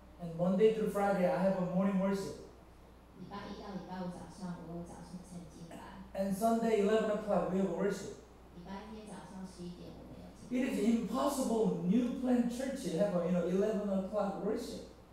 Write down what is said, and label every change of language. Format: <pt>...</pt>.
<en>And Monday through Friday, I have a morning worship.</en> <zh>礼拜一到礼拜五早上，我有早上圣经班。</zh> <en>And Sunday 11 o'clock, we have worship.</en> <zh>礼拜天早上11点，我们有。</zh> <en>It is impossible New Plant Church to have a, you know, 11 o'clock worship.</en>